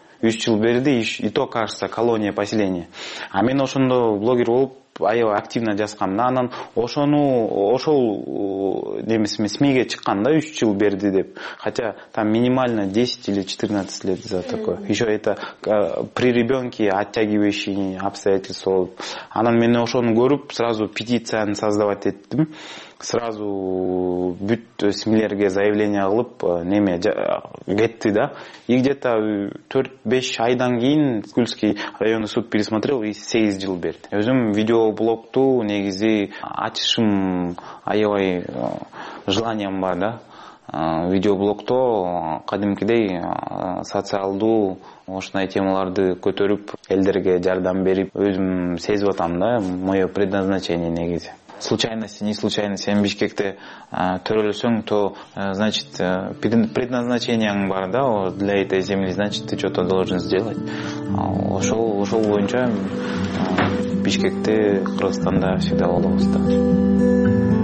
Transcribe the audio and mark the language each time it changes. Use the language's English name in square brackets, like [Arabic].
[Kyrgyz] 3 жыл берди, [Russian] и то кажется, колония, поселение. [Kyrgyz] А мен ошондо блогер болуп аябай активно жазгам да. Анан ошону ошол немесиме СМИге чыккан да 3 жыл берди деп. [Russian] Хотя там минимально 10 или 14 лет за такое. Еще это при ребенке оттягивающие обстоятельства [Kyrgyz] болуп. Анан мен ошону көрүп сразу петицияны создавать эттим. Сразу бүт СМИлерге заявление кылып неме кетти да. [Russian] И где-то 4-5 [Kyrgyz] айдан кийин [Russian] Скульский районный суд пересмотрел и 8 [Kyrgyz] жыл берди. Өзүм видеоблогду негизи ачышым аябай желанием бар да. Видеоблогто кадимкидей социалдуу ушундай темаларды көтөрүп элдерге жардам берип өзүм сезип атам да, [Russian] мое предназначение [Kyrgyz] негизи. [Russian] Случайности, не случайности, [Kyrgyz] сен Бишкекте төрөлсөң, [Russian] то значит [Kyrgyz] предназначениең бар да, [Russian] для этой земли, значит ты что-то должен сделать. [Kyrgyz] Ошол боюнча Бишкекте, Кыргызстанда всегда болобуз да.